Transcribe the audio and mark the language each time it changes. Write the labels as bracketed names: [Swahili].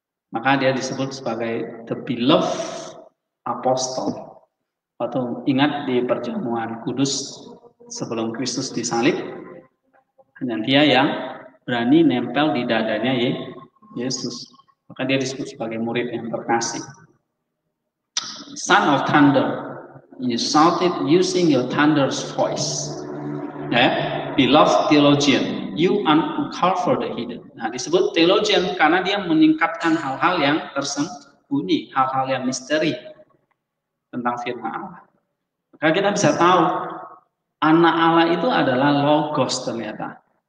[Indonesian] Maka dia disebut sebagai [English] the beloved apostle. [Indonesian] Atau ingat di perjamuan kudus sebelum Kristus disalib, hanya dia yang berani nempel di dadanya Yesus. Maka dia disebut sebagai murid yang terkasih. [English] Son of thunder, you shouted using your thunder's voice. Yeah. Beloved theologian, you uncover the hidden. [Indonesian] Nah, disebut theologian karena dia menyingkapkan hal-hal yang tersembunyi, hal-hal yang misteri tentang firman Allah. Maka kita bisa tahu anak Allah itu adalah Logos ternyata.